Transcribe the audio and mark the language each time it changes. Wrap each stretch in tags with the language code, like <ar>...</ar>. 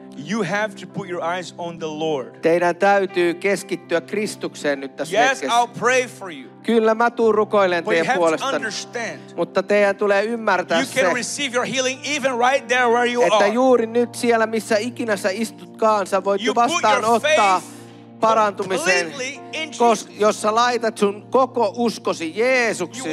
<en>You have to put your eyes on the Lord.</en> <fi>Teidän täytyy keskittyä Kristukseen nyt tässä hetkessä.</fi> <en>Yes, I'll pray for you.</en> <fi>Kyllä mä tuun rukoilen teidän puolestanne.</fi> <en>But you have to understand.</en> <fi>Mutta teidän tulee ymmärtää se.</fi> <en>You can receive your healing even right there where you are.</en> <fi>Että juuri nyt siellä missä ikinä sä istutkaan, sä voit vastaanottaa parantumiseen, jos sä laitat sun koko uskosi Jeesukseen.</fi>